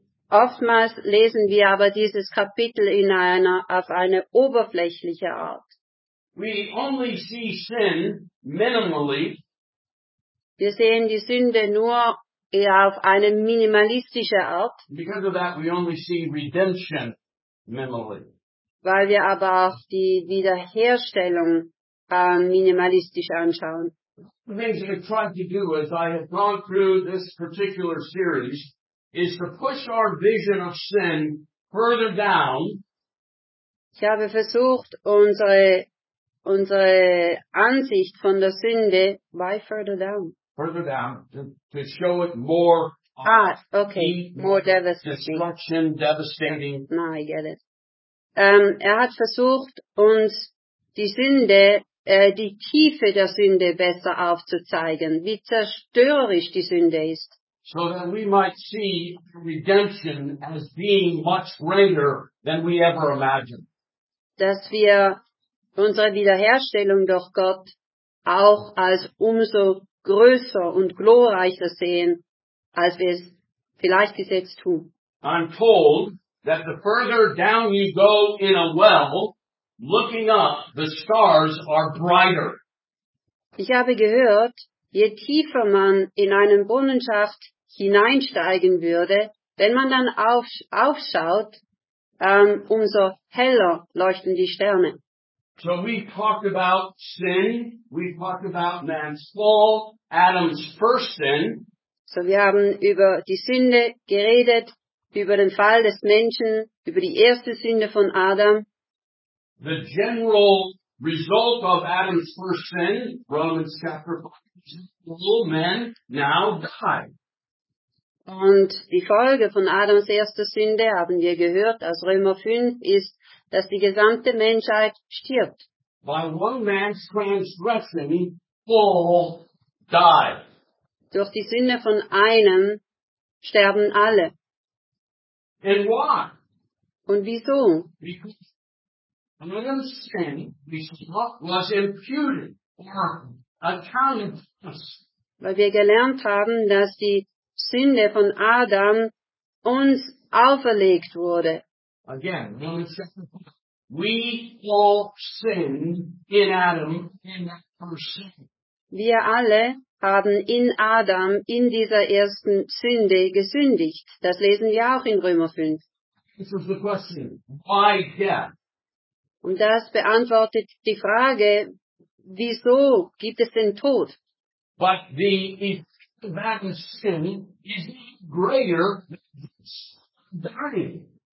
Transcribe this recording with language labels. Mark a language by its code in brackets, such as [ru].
[de] Oftmals lesen wir aber dieses Kapitel in einer auf eine oberflächliche Art. [en] We only see sin minimally. [de] Wir sehen die Sünde nur eher auf eine minimalistische Art. [en] Because of that we only see redemption minimally. [de] Weil wir aber auch die Wiederherstellung minimalistisch anschauen. [en] The things that I've tried to do as I have gone through this particular series is to push our vision of sin further down. [de] Ich habe versucht, unsere Ansicht von der Sünde, [en] why further down? Further down, to show it more. Ah, okay, more devastating. Destruction, devastating. No, I get it. [de] Er hat versucht, uns die Sünde, die Tiefe der Sünde besser aufzuzeigen, wie zerstörerisch die Sünde ist. [en] So that we might see redemption as being much greater than we ever imagined. [de] Dass wir unsere Wiederherstellung durch Gott auch als umso größer und glorreicher sehen, als wir es vielleicht bis jetzt tun. [en] I'm told that the further down you go in a well, looking up, the stars are brighter. [de] Ich habe gehört, je tiefer man in einen Brunnenschacht hineinsteigen würde, wenn man dann aufschaut, umso heller leuchten die Sterne. [en] So we've talked about sin, we've talked about man's fall, Adam's first sin. [de] So wir haben über die Sünde geredet, über den Fall des Menschen, über die erste Sünde von Adam. [en] The general result of Adam's first sin, Romans chapter 5, all men now die. [de] Und die Folge von Adams erster Sünde, haben wir gehört aus Römer 5, ist, dass die gesamte Menschheit stirbt. [en] By one man's transgression, all die. [de] Durch die Sünde von einem sterben alle. [en] And why? [de] Und wieso? [en] Because Adam's sin was imputed or accounted for. [de] Weil wir gelernt haben, dass die Sünde von Adam uns auferlegt wurde. [en] Again, Romans chapter 5. We all sinned in Adam in that first sin. [de] Wir alle haben in Adam, in dieser ersten Sünde, gesündigt. Das lesen wir auch in Römer 5. [en] This is the question. Why death? [de] Und das beantwortet die Frage, wieso gibt es den Tod? [en] But the effect of Adam's sin is greater than dying.